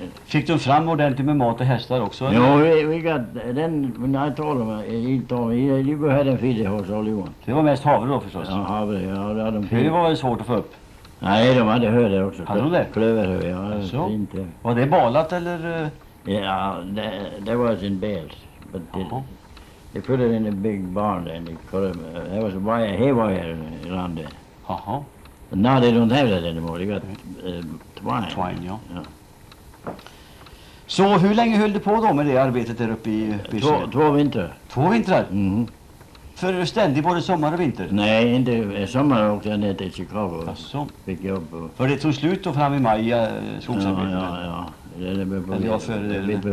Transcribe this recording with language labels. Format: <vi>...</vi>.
<sv>Fick du fram ordentligt med mat och hästar också?</sv> <en>Ja, vi got then when I told him, he told me, "You go ahead and feed the horse all you want."</en> <sv>Det var mest havre då förstås. Ja, havre, ja, det hade de. Det var väl svårt att få upp. Nej, de hade hö där också. Hade du det? Klöver, ja, alltså. Inte. Var det balat eller?</sv> <en>Ja, there was in bales, but they put it in a big barn and they cut them. There was a wire, hay wire around there.</en> <sv>Jaha.</sv> <en>But now they don't have that anymore. They got twine.</en> <sv>Twine, ja. Så hur länge höll du på då med det arbetet där uppe i Bysen? Två vintrar. Två vintrar? Mm. För ständigt både sommar och vinter? Nej, inte sommar åkte jag ner till Chicago. Asså. Fick jobb. För det tog slut då fram i maj skogsarbetet? Ja. Det blev på</sv>